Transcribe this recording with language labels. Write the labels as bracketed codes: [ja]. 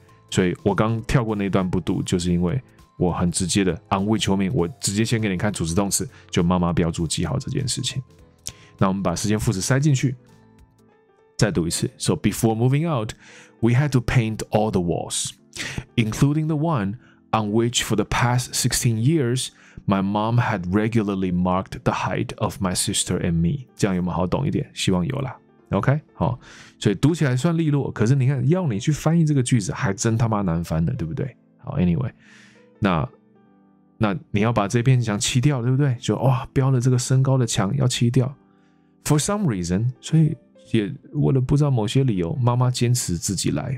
[zh] 所以我刚跳过那段不读，就是因为我很直接的 [en] on which [zh] 后面我直接先给你看主词动词，就妈妈标注记号这件事情。那我们把时间副词塞进去，再读一次。 [en] So before moving out, we had to paint all the walls, including the one on which for the past 16 years, my mom had regularly marked the height of my sister and me. [zh] 这样有没有好懂一点？希望有啦。 OK， 好，所以读起来算利落，可是你看要你去翻译这个句子还真他妈难翻的，对不对？好 ， [en] Anyway。 [zh] 那你要把这片墙漆掉，对不对？就哇，标了这个身高的墙要漆掉。 [en] For some reason， [zh] 所以也为了不知道某些理由，妈妈坚持自己来。